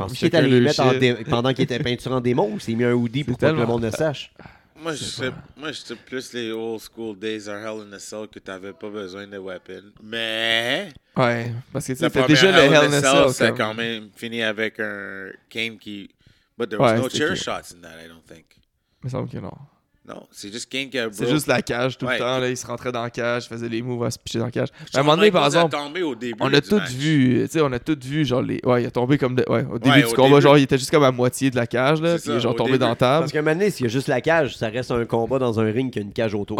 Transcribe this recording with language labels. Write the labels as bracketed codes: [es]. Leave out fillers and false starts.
[fr] il est allé le mettre pendant qu'il était peinturant en démon, ou s'est mis un hoodie c'est pour tellement... que le monde le sache. Moi, je sais plus les [en] old school days of Hell in a Cell [fr] que t'avais pas besoin de weapon. Mais. Ouais, parce que c'était déjà le Hell in a Cell. Ça a quand même fini avec un Kane qui. [en] But there was no chair shots in that, I don't think. [fr] Il me semble que non. Non, c'est juste Kane qui a. C'est juste la cage tout le temps. Là, il se rentrait dans la cage, faisait les moves à se picher dans la cage. À un moment donné, par exemple, on a tout vu. Tu sais, on a tout vu. Genre, les... ouais, il est tombé comme. De... Ouais, au début du combat, genre, il était juste comme à moitié de la cage, là. Puis il est genre tombé dans la table. Parce qu'à un moment donné, s'il y a juste la cage, ça reste un combat dans un ring qui a une cage autour.